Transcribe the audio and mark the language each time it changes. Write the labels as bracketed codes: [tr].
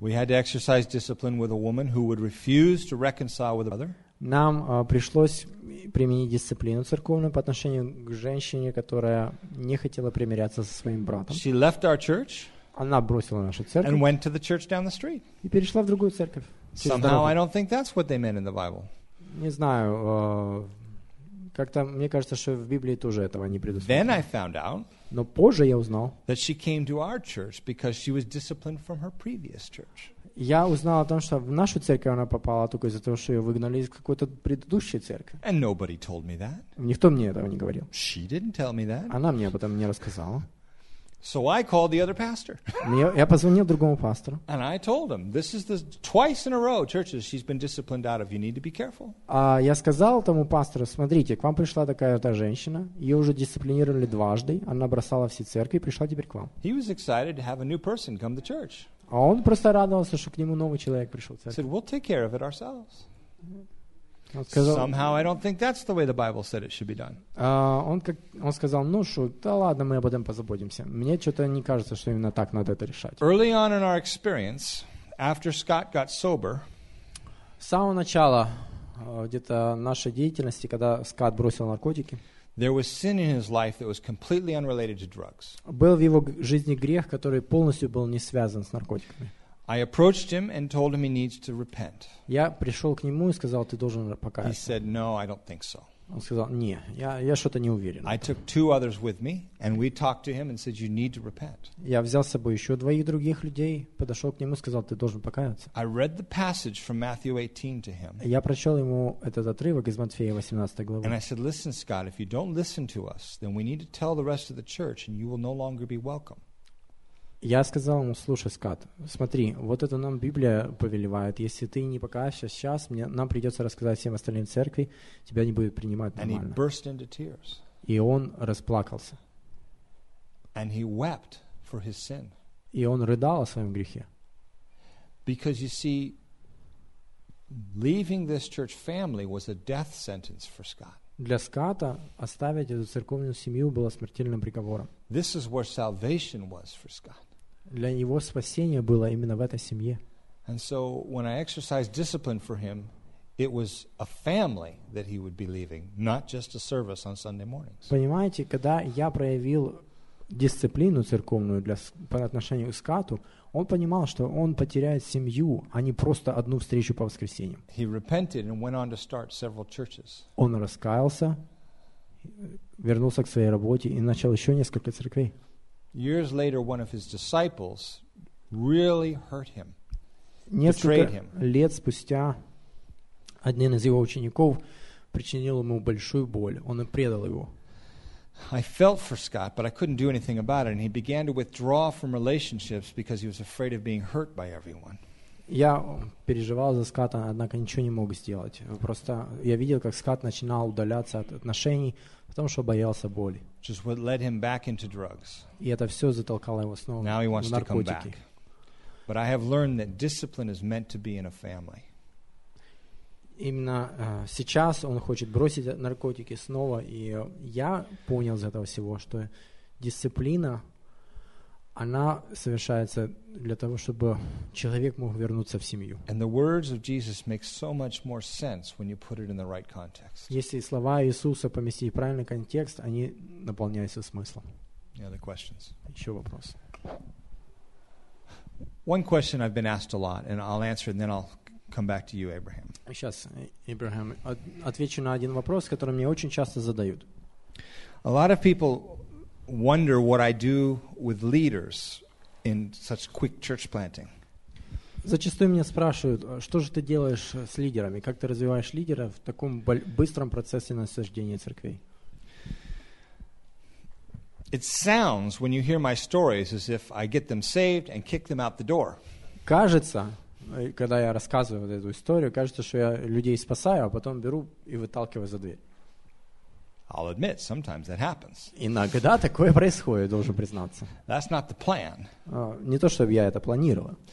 [en] We had to exercise discipline with a woman who would refuse to reconcile with a brother. [ru] Нам пришлось применить дисциплину церковную по отношению к женщине, которая не хотела примиряться со своим братом. [en] She left our church. [ru] Она бросила нашу церковь. [en] And went to the church down the street. [ru] И перешла в другую церковь. [en] Somehow I don't think that's what they meant in the Bible. [ru] Не знаю. Как-то мне кажется, что в Библии тоже этого не предусмотрено. [en] Then I found out, [ru] но позже я узнал, [en] that she came to our church because she was disciplined from her previous church. [ru] Я узнал о том, что в нашу церковь она попала только из-за того, что ее выгнали из какой-то предыдущей церкви. [en] And nobody told me that. [ru] Никто мне этого не говорил. [en] She didn't tell me that. [ru] Она мне об этом не рассказала. [en] So I called the other pastor. [ru] Я позвонил другому пастору. [en] And I told him, this is the twice in a row churches she's been disciplined out of. You need to be careful. [ru] Я сказал тому пастору, смотрите, к вам пришла такая-то женщина, ее уже дисциплинировали дважды, она бросала все церкви и пришла теперь к вам. [en] He was excited to have a new person come to church. [ru] А он просто радовался, что к нему новый человек пришел в церковь. [en] Said, we'll take care of it ourselves. Somehow I don't think that's the way the Bible said it should be done. [ru] Он сказал, ну что, да ладно, мы об этом позаботимся. Мне что-то не кажется, что именно так надо это решать. [en] Early on in our experience, after Scott got sober, [ru] с самого начала где-то нашей деятельности, когда Скотт бросил наркотики, [en] there was sin in his life that was completely unrelated to drugs. [ru] Был в его жизни грех, который полностью был не связан с наркотиками. [en] I approached him and told him he needs to repent. [ru] Я пришел к нему и сказал, ты должен покаяться. [en] He said, "No, I don't think so." [ru] Он сказал, не, я что-то не уверен. [en] I took 2 others with me, and we talked to him and said, "You need to repent." [ru] Я взял с собой еще 2 других людей, подошел к нему и сказал, ты должен покаяться. [en] I read the passage from Matthew 18 to him. [ru] Я прочел ему этот отрывок из Матфея 18 главы. [en] And I said, "Listen, Scott, if you don't listen to us, then we need to tell the rest of the church, and you will no longer be welcome." [ru] Я сказал ему, слушай, Скат, смотри, вот это нам Библия повелевает. Если ты не покаешься сейчас, нам придется рассказать всем остальным церкви, тебя не будет принимать нормально. [en] And he burst into tears. [ru] И он расплакался. [en] And he wept for his sin. [ru] И он рыдал о своем грехе. [en] Because you see, leaving this church family was a death sentence for Scott. [ru] Для Ската оставить эту церковную семью было смертельным приговором. [en] This is where salvation was for Scott. [ru] Для него спасение было именно в этой семье. [en] And so when I exercised discipline for him, it was a family that he would be leaving, not just a service on Sunday mornings. [ru] Понимаете, когда я проявил дисциплину церковную для по отношению к Скату, он понимал, что он потеряет семью, а не просто одну встречу по воскресеньям. [en] He repented and went on to start several churches. [ru] Он раскаялся, вернулся к своей работе и начал еще несколько церквей. [en] Years later, one of his disciples really hurt him, betrayed him. [ru] Несколько лет спустя один из его учеников причинил ему большую боль. Он и предал его. [en] I felt for Scott, but I couldn't do anything about it, and he began to withdraw from relationships because he was afraid of being hurt by everyone. [ru] Я переживал за Ската, однако ничего не мог сделать. Просто я видел, как Скат начинал удаляться от отношений, потому что боялся боли. [en] Just what led him back into drugs. [ru] И это все затолкало его снова в наркотики. [en] Now he wants to come back. But I have learned that discipline is meant to be in a family. [ru] Именно сейчас он хочет бросить наркотики снова, и я понял из этого всего, что дисциплина, она совершается для того, чтобы человек мог вернуться в семью. [en] And the words of Jesus make so much more sense when you put it in the right context. [ru] Если слова Иисуса поместить в правильный контекст, они наполняются смыслом. [en] Any other questions? [ru] Еще вопрос. [en] One question I've been asked a lot, and I'll answer it, and then I'll come back to you, Abraham. [ru] Сейчас, Abraham, отвечу на один вопрос, который мне очень часто задают. [en] A lot of people wonder what I do with leaders in such quick church planting. [ru] Зачастую меня спрашивают, что же ты делаешь с лидерами, как ты развиваешь лидера в таком быстром процессе насаждения церквей. [en] It sounds, when you hear my stories, as if I get them saved and kick them out the door. [ru] Кажется, когда я рассказываю эту историю, кажется, что я людей спасаю, а потом беру и выталкиваю за дверь. [en] I'll admit, sometimes that happens. [ru] Иногда такое происходит, должен признаться. [en] That's not the plan. [ru] Не то, чтобы я это планировал.